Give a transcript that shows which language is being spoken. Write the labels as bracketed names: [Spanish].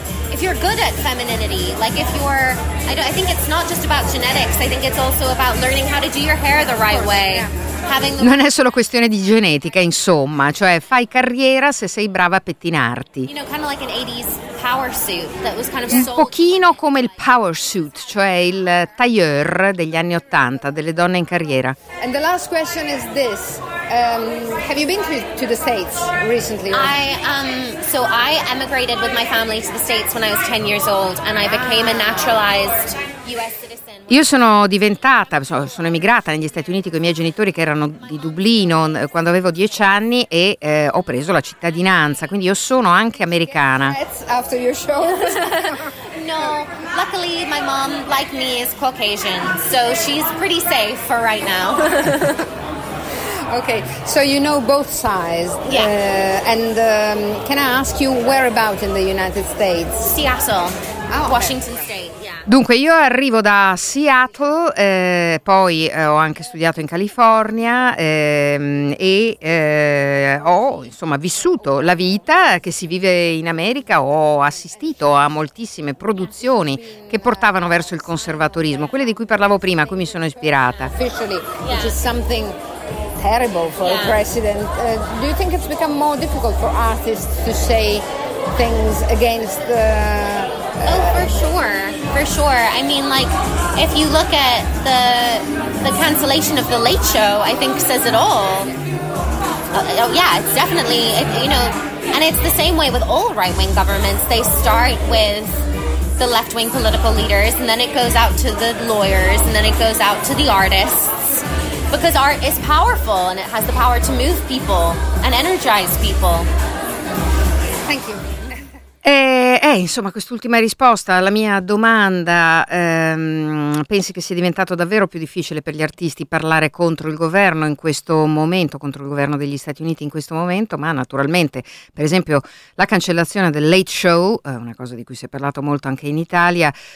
[English] If you're good at femininity, like if you're, I think it's not just about genetics, I think it's also about learning how to do your hair the right way. [Italian] Non è solo questione di genetica, insomma, cioè fai carriera se sei brava a pettinarti. [English] You know, kind of like an 80s power suit that was kind of [Italian] un pochino come il power suit, cioè il tailleur degli anni 80 delle donne in carriera. [English] And the last question is this. Have you been to the States recently? I emigrated with my family to the States when I was 10 years old and I became a naturalized US citizen. [Italian] Io sono diventata, sono emigrata negli Stati Uniti con i miei genitori che erano di Dublino quando avevo 10 anni e ho preso la cittadinanza, quindi io sono anche americana. [English] After your show. No, luckily my mom, like me, is Caucasian, so she's pretty safe for right now. Okay, so you know both sides. Yeah. Can I ask you where about in the United States? Seattle, Washington State. [Italian] Dunque, io arrivo da Seattle, poi ho anche studiato in California ho insomma vissuto la vita che si vive in America, ho assistito a moltissime produzioni che portavano verso il conservatorismo, quelle di cui parlavo prima, a cui mi sono ispirata. [English] Which is something terrible for a president. Do you think it's become more difficult for artists to say things against the... Oh, for sure, for sure. I mean, like, if you look at the cancellation of The Late Show, I think says it all. It's definitely, and it's the same way with all right-wing governments. They start with the left-wing political leaders, and then it goes out to the lawyers, and then it goes out to the artists. Because art is powerful, and it has the power to move people and energize people. Thank you. [Italian] Insomma, quest'ultima risposta alla mia domanda, pensi che sia diventato davvero più difficile per gli artisti parlare contro il governo in questo momento, contro il governo degli Stati Uniti in questo momento, ma naturalmente, per esempio, la cancellazione del Late Show, una cosa di cui si è parlato molto anche in Italia,